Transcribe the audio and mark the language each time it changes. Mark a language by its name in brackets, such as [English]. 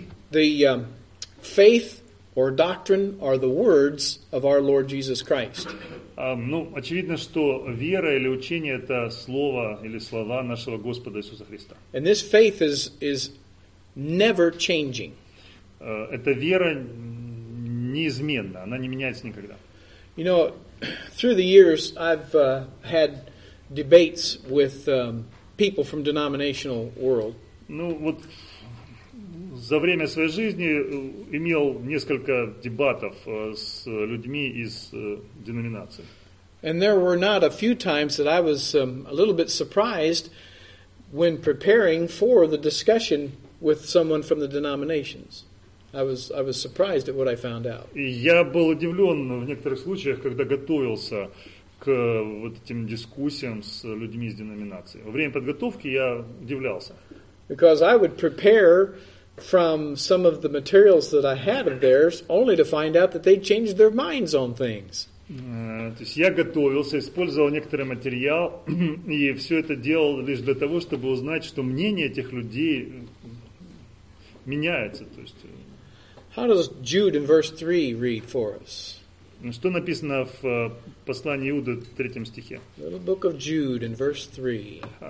[English] The faith or doctrine are the words of our Lord Jesus Christ. [Russian] Ну, очевидно, что вера или учение – это слово или слова нашего Господа Иисуса Христа. [English] And this faith is never changing. [Russian] Эта вера неизменна, она не меняется никогда. [English] You know, through the years I've had debates with people from denominational world. [Russian] Ну, вот... За время своей жизни имел несколько дебатов с людьми из деноминации. [English] And there were not a few times that I was a little bit surprised when preparing for the discussion with someone from the denominations. I was surprised at what I found out. [Russian] Я был удивлен в некоторых случаях, когда готовился к вот этим дискуссиям с людьми из деноминации. Во время подготовки я удивлялся. [English] Because I would prepare from some of the materials that I had of theirs, only to find out that they changed their minds on things. [Russian] То есть я готовился, использовал некоторый материал, и все это делал лишь для того, чтобы узнать, что мнение этих людей меняется. То есть. [English] How does Jude in verse 3 read for us? [Russian] Что написано в послании Иуды в 3 стихе? [English] Little book of Jude in verse 3.